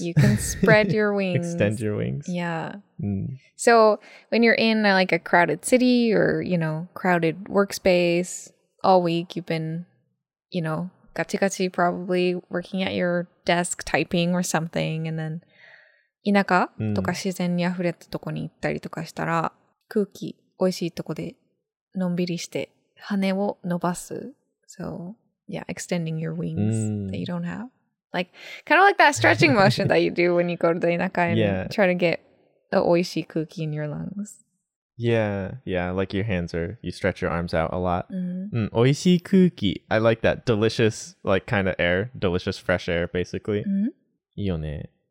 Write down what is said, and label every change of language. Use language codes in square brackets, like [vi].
[en] You can spread your wings. Extend your wings. Yeah. So when you're in like a crowded city or, you know, crowded workspace all week, you've been, you know, gachi-gachi probably working at your desk typing or something. [ja] And then 田舎とか自然にあふれたとこに行ったりとかしたら空気おいしいとこでのんびりして羽を伸ばす。 [en] So yeah, extending your wings that you don't have. Like kind of like that stretching motion that you do when you go to the 田舎 and try to get... The oishi kuki in your lungs. Yeah, yeah, like your hands are, you stretch your arms out a lot. Oishi kuki. I like that. Delicious, like kind of air, delicious fresh air, basically. Yone.